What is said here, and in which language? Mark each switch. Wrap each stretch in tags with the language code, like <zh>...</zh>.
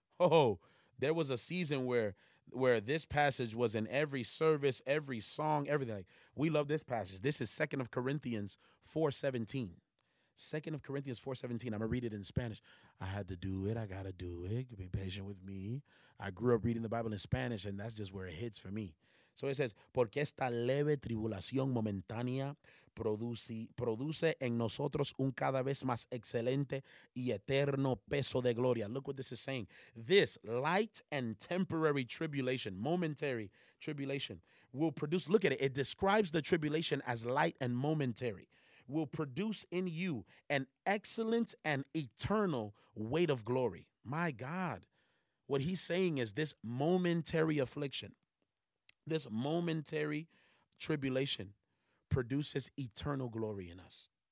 <en>Oh, there was a season where this passage was in every service, every song, everything. Like, we love this passage. This is 2 Corinthians 4:17. 2 Corinthians 4:17. I'm going to read it in Spanish. I had to do it. I got to do it. Be patient with me. I grew up reading the Bible in Spanish, and that's just where it hits for me. So it says,</en> <es>porque esta leve tribulación momentánea produce en nosotros un cada vez más excelente y eterno peso de gloria.</es> <en>Look what this is saying. This light and temporary tribulation, momentary tribulation, will produce, look at it. It describes the tribulation as light and momentary. Will produce in you an excellent and eternal weight of glory. My God, what he's saying is this momentary affliction, this momentary tribulation produces eternal glory in us.</en>